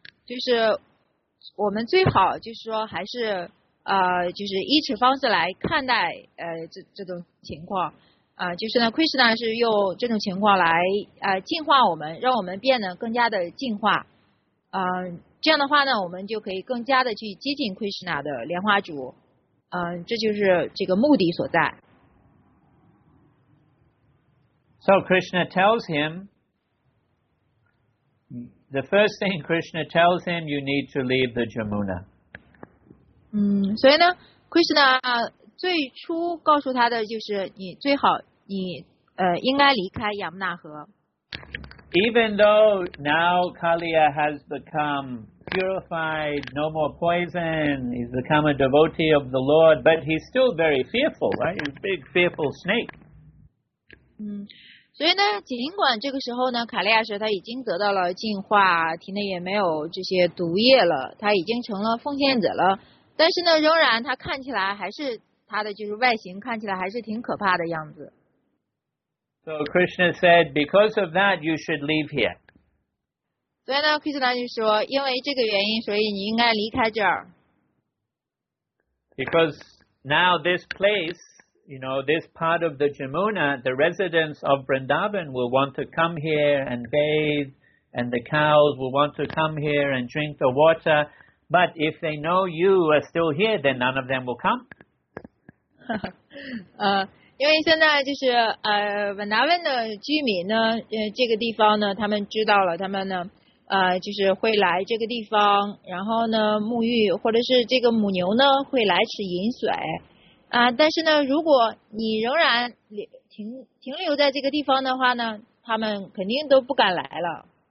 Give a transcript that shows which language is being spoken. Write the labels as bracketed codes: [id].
[zh] 就是我们最好就是说还是就是依此方式来看待这种情况就是呢 Krishna 是用这种情况来净化我们，让我们变得更加的净化这样的话呢，我们就可以更加的去接近 Krishna 的莲花主这就是这个目的所在。 [en] So Krishna tells him,the first thing Krishna tells him, you need to leave the Jamuna. [zh] 所以呢 ，Krishna 最初告诉他的就是你最好你应该离开亚穆纳河。 [en] Even though now Kaliya has become purified, no more poison, he's become a devotee of the Lord, but he's still very fearful, right? He's a big fearful snake. [zh] 所以呢，尽管这个时候呢，卡利亚什他已经得到了净化，体内也没有这些毒液了，他已经成了奉献者了。但是呢，仍然他看起来还是他的就是外形看起来还是挺可怕的样子。 [en] So Krishna said, because of that, you should leave here. [zh] 所以呢 ，Krishna 就说，因为这个原因，所以你应该离开这儿。 [en] Because now this place. You know, this part of the Jamuna, the residents of Vrindavan will want to come here and bathe, and the cows will want to come here and drink the water. But if they know you are still here, then none of them will come. [zh] 因为现在就是Vrindavan 的居民呢，这个地方呢，他们知道了，他们呢，就是会来这个地方，然后呢，沐浴，或者是这个母牛呢，会来吃饮水。但是呢，如果你仍然停留在这个地方的话呢，他们肯定都不敢来了。